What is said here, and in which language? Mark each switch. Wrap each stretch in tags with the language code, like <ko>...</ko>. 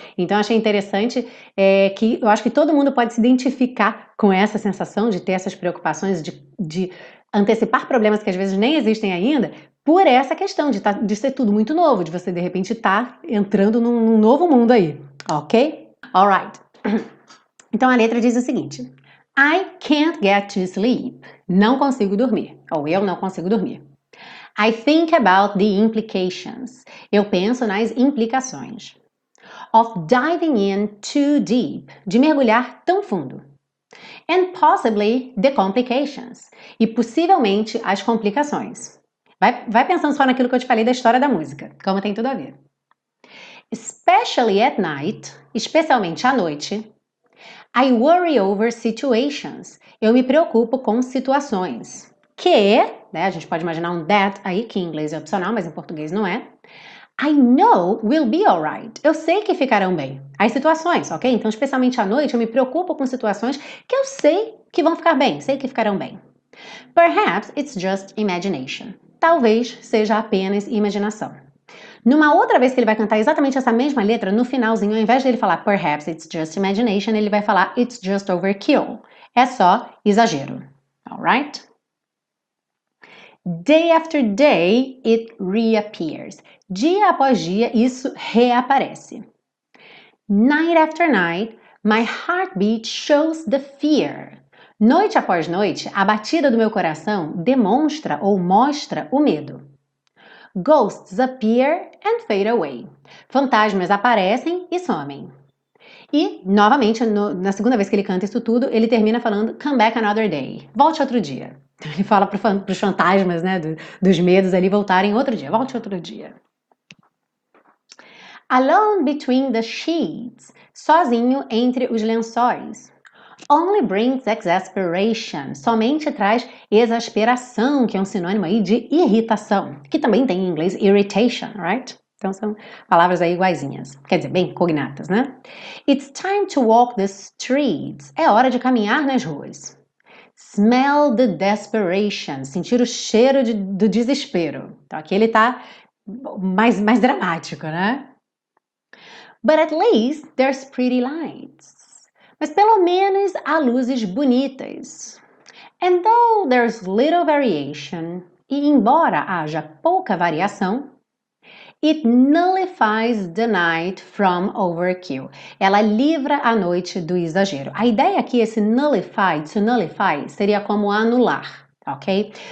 <pt>Então achei interessante, que eu acho que todo mundo pode se identificar com essa sensação de ter essas preocupações, de antecipar problemas que às vezes nem existem ainda, por essa questão de ser tudo muito novo, de você de repente estar entrando num novo mundo aí, ok? Alright. Então a letra diz o seguinte:</pt> <en>I can't get to sleep.</en> <pt>Não consigo dormir. Ou eu não consigo dormir.</pt> <en>I think about the implications.</en> <pt>Eu penso nas implicações.</pt> <en>Of diving in too deep.</en> <pt>De mergulhar tão fundo.</pt> <en>And possibly the complications.</en> <pt>E possivelmente as complicações. Vai pensando só naquilo que eu te falei da história da música, como tem tudo a ver.</pt> <en>Especially at night,</en> <pt>especialmente à noite,</pt> <en>I worry over situations.</en> <pt>Eu me preocupo com situações. né? A gente pode imaginar um that aí, que em inglês é opcional, mas em português não é.</pt> <en>I know we'll be alright.</en> <pt>Eu sei que ficarão bem. As situações, ok? Então, especialmente à noite, eu me preocupo com situações que eu sei que vão ficar bem, sei que ficarão bem.</pt> <en>Perhaps it's just imagination.</en> <pt>Talvez seja apenas imaginação. Numa outra vez que ele vai cantar exatamente essa mesma letra, no finalzinho, ao invés dele falar</pt> <en>perhaps it's just imagination,</en> <pt>ele vai falar</pt> <en>it's just overkill.</en> <pt>É só exagero. Alright?</pt> <en>Day after day, it reappears.</en> <pt>Dia após dia, isso reaparece.</pt> <en>Night after night, my heartbeat shows the fear.</en> <pt>Noite após noite, a batida do meu coração demonstra ou mostra o medo.</pt> <en>Ghosts appear and fade away.</en> <pt>Fantasmas aparecem e somem. E, novamente, na segunda vez que ele canta isso tudo, ele termina falando,</pt> <en>come back another day.</en> <pt>Volte outro dia. Ele fala para os fantasmas, né, dos medos ali voltarem outro dia. Volte outro dia.</pt> <en>Alone between the sheets.</en> <pt>Sozinho entre os lençóis.</pt> <en>Only brings exasperation.</en> <pt>Somente traz exasperação, que é um sinônimo aí de irritação. Que também tem em inglês irritation, right? Então são palavras aí iguaizinhas. Quer dizer, bem cognatas, né?</pt> <en>It's time to walk the streets.</en> <pt>É hora de caminhar nas ruas.</pt> <en>Smell the desperation.</en> <pt>Sentir o cheiro do desespero. Então aqui ele tá mais dramático, né?</pt> <en>But at least there's pretty lights.</en> <pt>Mas pelo menos há luzes bonitas.</pt> <en>And though there's little variation,</en> <pt>e embora haja pouca variação,</pt> <en>it nullifies the night from overkill.</en> <pt>Ela livra a noite do exagero. A ideia aqui, esse nullify, to nullify, seria como anular, ok?</pt>